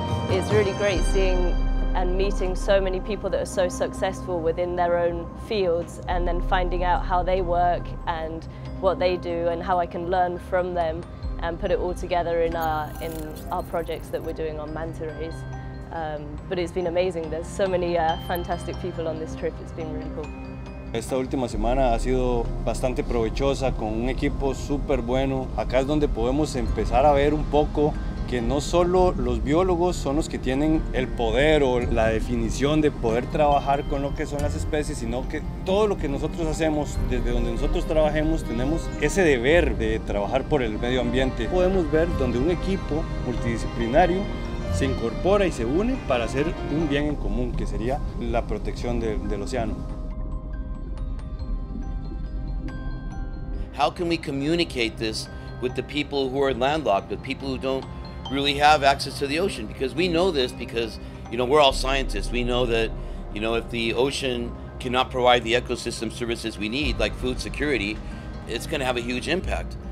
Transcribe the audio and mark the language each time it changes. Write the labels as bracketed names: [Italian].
[English] It's really great seeing and meeting so many people that are so successful within their own fields, and then finding out how they work and what they do, and how I can learn from them and put it all together in our projects that we're doing on manta rays. But it's been amazing. There's so many fantastic people on this trip. It's been really cool. [Spanish] Esta última semana ha sido bastante provechosa con un equipo super bueno. Acá es donde podemos empezar a ver un poco que no solo los biólogos son los que tienen el poder o la definición de poder trabajar con lo que son las especies, sino que todo lo que nosotros hacemos, desde donde nosotros trabajemos, tenemos ese deber de trabajar por el medio ambiente. Podemos ver donde un equipo multidisciplinario se incorpora y se une para hacer un bien en común, que sería la protección del océano. [English] How can we communicate this with the people who are landlocked, with people who don't really have access to the ocean? Because we know this because, you know, we're all scientists. We know that, you know, if the ocean cannot provide the ecosystem services we need, like food security, it's going to have a huge impact.